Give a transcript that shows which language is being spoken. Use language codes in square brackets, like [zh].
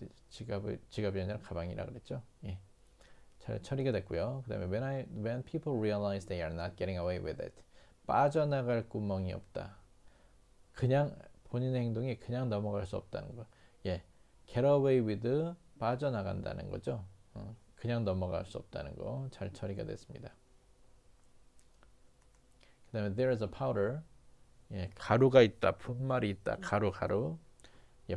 [ko] 지갑이 아니라 가방이라 그랬죠. 예. 잘 처리가 됐고요. 그다음에 [en] when people realize they are not getting away with it. [ko] 빠져나갈 구멍이 없다. 그냥 본인의 행동이 그냥 넘어갈 수 없다는 거. 예. Get away with 빠져나간다는 거죠. 그냥 넘어갈 수 없다는 거. 잘 처리가 됐습니다. 그다음에 [en] there is a powder. [ko] 예. 가루가 있다. 분말이 있다. 가루. 예.